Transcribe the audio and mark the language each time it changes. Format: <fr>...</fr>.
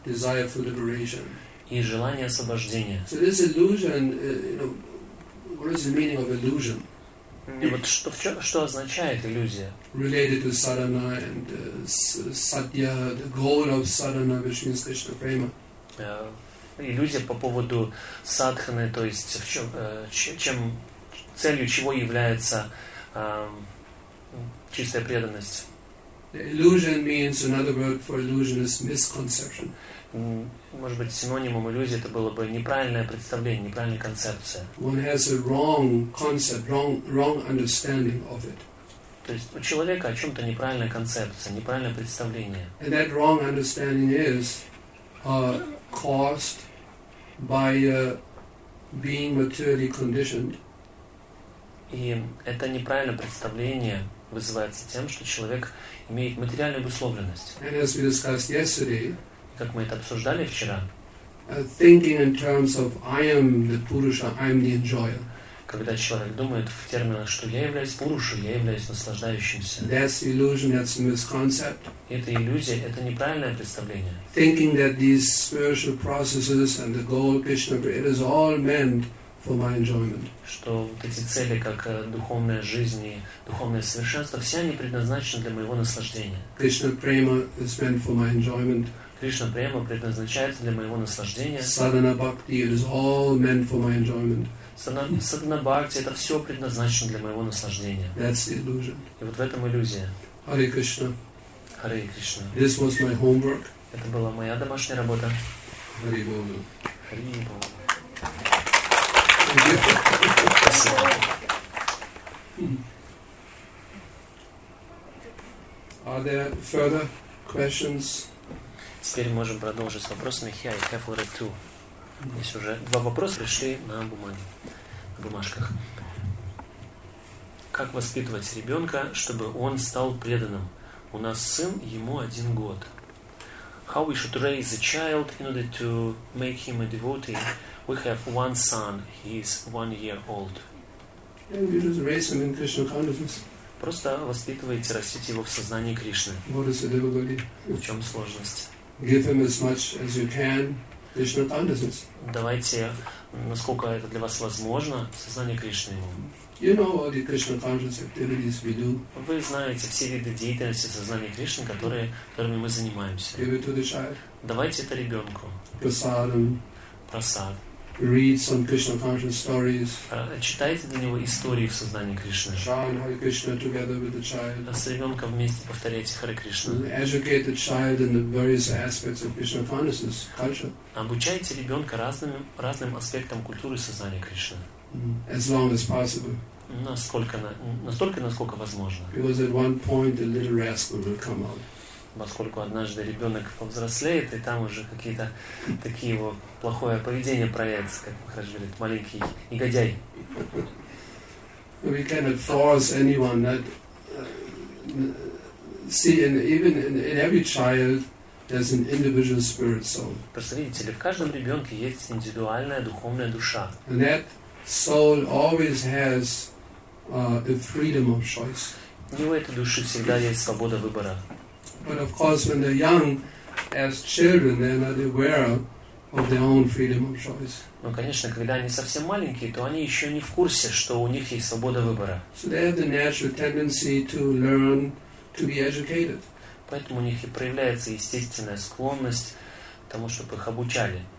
<ru>И желание освобождения.</ru> <en>What is the meaning of illusion?</en> <ru>Вот что означает иллюзия?</ru> <en>Related to sadhana and satya, the goal of sadhana, which means Krishna prema.</en> <ru>Иллюзия по поводу садханы, то есть в чем, чем целью чего является чистая преданность?</ru> <en>The illusion means another word for illusion is misconception.</en> <ru>Может быть, синонимом иллюзии это было бы неправильное представление, неправильная концепция.</ru> <en>One has a wrong concept, wrong understanding of it.</en> <ru>То есть у человека о чем-то неправильная концепция, неправильное представление.</ru> <en>And that wrong understanding is caused by being materially conditioned.</en> <ru>И это неправильное представление вызывается тем, что человек имеет материальную обусловленность.</ru> <en>And as we discussed yesterday,</en> <ru>как мы это обсуждали вчера.</ru> <en>Thinking in terms of I am the Purusha, I am the enjoyer.</en> <ru>Когда человек думает в терминах, что я являюсь Пурушей, я являюсь наслаждающимся.</ru> <en>That's illusion, that's misconcept.</en> <ru>Это иллюзия, это неправильное представление.</ru> <en>Thinking that these spiritual processes and the goal of Krishna, it is all meant for my enjoyment.</en> <ru>Что вот эти цели, как духовная жизнь и духовное совершенство, все они предназначены для моего наслаждения.</ru> <en>Krishna prema is meant for my enjoyment.</en> <ru>Кришна према предназначается для моего наслаждения.</ru> <en>Sadhana bhakti is all meant for my enjoyment.</en> <ru>Sadhana bhakti это все предназначено для моего наслаждения.</ru> <en>That's the illusion.</en> <ru>И вот в этом иллюзия.</ru> <en>Hare Krishna. Hare Krishna. This was my homework.</en> <ru>Это была моя домашняя работа.</ru> <en>Hare Bol.</en> <ru>Hare Bol. Спасибо.</ru> <en>Are there further questions?</en> <ru>Теперь можем продолжить с вопросами.</ru> <en>Here I have already two.</en> <ru>Здесь уже два вопроса пришли на бумаге, на бумажках. Как воспитывать ребенка, чтобы он стал преданным? У нас сын, ему один год.</ru> <en>How we should raise a child in order to make him a devotee? We have one son, he is 1 year old. And you just raise him in Krishna consciousness.</en> <ru>Просто воспитываете, растите его в сознании Кришны.</ru> <en>What is the difficulty?</en> <ru>В чем сложность?</ru> <en>Give him as much as you can Krishna consciousness.</en> <ru>Давайте, насколько это для вас возможно, сознание Кришны ему.</ru> <en>You know all the Krishna consciousness activities we do.</en> <ru>Вы знаете все виды деятельности сознания Кришны, которыми мы занимаемся.</ru> <en>Give it to the child.</en> <ru>Давайте это ребенку.</ru> <en>Prasadam.</en> <ru>Prasad.</ru> <en>Read some Krishna consciousness stories.</en> <ru>Читайте для него истории в сознании Кришны.</ru> <en>Chant Hare Krishna together with the child.</en> <ru>С ребенком вместе повторяйте Харе Кришна.</ru> <en>Educate the child in the various aspects of Krishna consciousness culture.</en> <ru>Обучайте ребенка разным аспектам культуры сознания Кришны.</ru> <en>As long as possible.</en> <ru>Насколько возможно.</ru> <en>Because at one point the little rascal will come out.</en> <ru>Поскольку однажды ребенок повзрослеет, и там уже какие-то такие его плохое поведение проявится, как Махарадж говорит, маленький негодяй.</ru> <en>We cannot force anyone that see even in every child there's an individual spirit soul.</en> <ru>Представляете ли, в каждом ребенке есть индивидуальная духовная душа.</ru> <en>And that soul always has a freedom of choice.</en> <ru>И у этой души всегда есть свобода выбора.</ru> <en>But of course, when they're young, as children, they're not aware of their own freedom of choice.</en> <ru>Но, конечно, когда они совсем маленькие, то они еще не в курсе, что у них есть свобода выбора.</ru> <en>So they have the natural tendency to learn, to be educated.</en> <ru>Поэтому у них и проявляется естественная склонность к тому, чтобы их обучали.</ru>